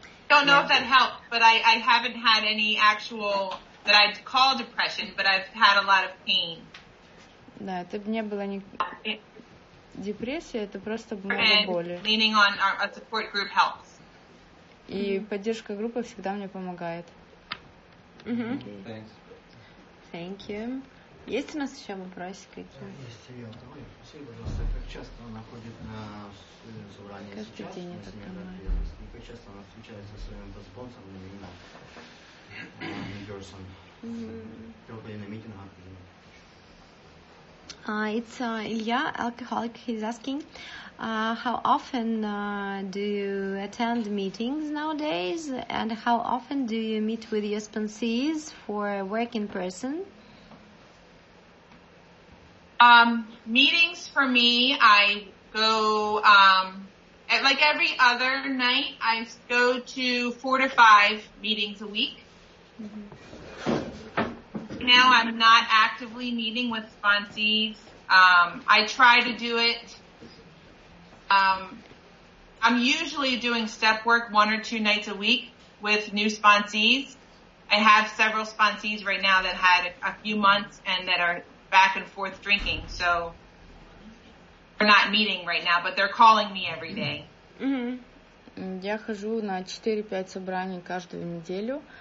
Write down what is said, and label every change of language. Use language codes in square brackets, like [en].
[en] I don't know if that helped, but I haven't had any actual that I'd call depression, but I've had a lot of pain. [ru] Да, это не было ни депрессия, это просто много боли. [en] And leaning on a support group helps. [ru] И поддержка группы всегда мне помогает. [en] Thank you. [ru] Есть у нас еще вопросы какие-то? Есть, Илья, такой. Спасибо, пожалуйста, как часто она ходит на собрание сейчас? Каждый день это понимаю. Как часто она встречается со своим спонсором, именно Нью-Джерсон, только на митингах? [en] It's Илья, alcoholic, he's asking, how often do you attend meetings nowadays, and how often do you meet with your sponsees for work in person? Meetings for me, I go, like every other night, I go to 4 to 5 meetings a week. Mm-hmm. Now I'm not actively meeting with sponsees. I try to do it. I'm usually doing step work 1 or 2 nights a week with new sponsees. I have several sponsees right now that had a few months and that are back and forth drinking, so we're not meeting right now, but they're calling me every day. Mm-hmm. [ru] Я хожу на 4-5 собраний каждую неделю.